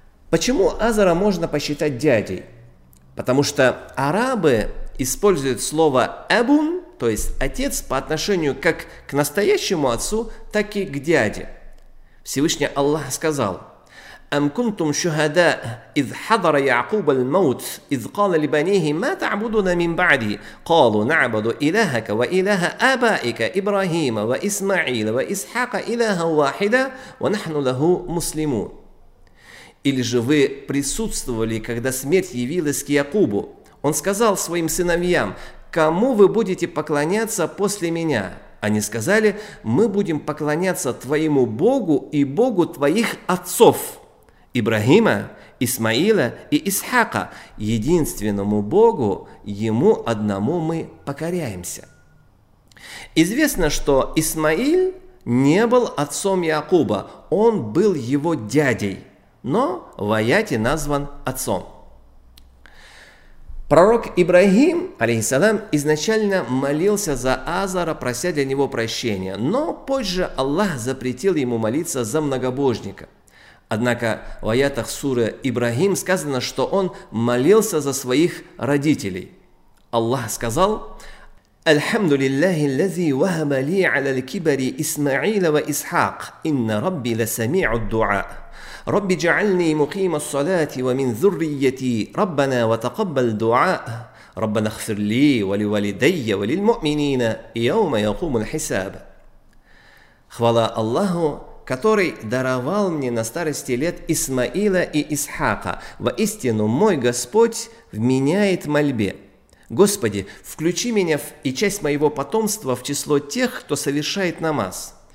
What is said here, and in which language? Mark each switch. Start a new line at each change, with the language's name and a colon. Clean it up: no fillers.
Russian: Почему Азара можно посчитать дядей? Потому что арабы использует слово «эбун», то есть «отец», по отношению как к настоящему отцу, так и к дяде. Всевышний Аллах сказал:
Arabic: أم كنتم شهداء إذ حضر يعقوب الموت إذ قال لبنيه ما تعبدون من بعدي قالوا نعبد إلهك وإله آبائك إبراهيم وإسماعيل وإسحاق إلها واحدة ونحن له مسلمون.
Russian: Или же вы присутствовали, когда смерть явилась к Якубу. Он сказал своим сыновьям, кому вы будете поклоняться после меня? Они сказали, мы будем поклоняться твоему Богу и Богу твоих отцов, Ибрахима, Исмаила и Исхака, единственному Богу, ему одному мы покоряемся. Известно, что Исмаил не был отцом Якуба, он был его дядей. Но в аяте назван отцом. Пророк Ибрахим, алейхиссалам, изначально молился за Азара, прося для него прощения, но позже Аллах запретил ему молиться за многобожника. Однако в аятах суры Ибрахим сказано, что он молился за своих родителей. Аллах сказал:
Arabic: «Альхамду лиллахи лази вахаба ли аля лькибари Исмаила ва Исхак, инна рабби ласами'у дуа». رب اجعلني مقيم الصلاة ومن ذريتي ربنا وتقبل دعاء ربنا اغفر لي ولوالدي وللمؤمنين يوم يقوم الحساب.
Russian: Хвала Аллаху, который даровал мне на старости лет Исмаила и Исхака. Воистину мой Господь вменяет мольбе. Господи, включи меня и часть моего потомства в число тех, кто совершает намаз.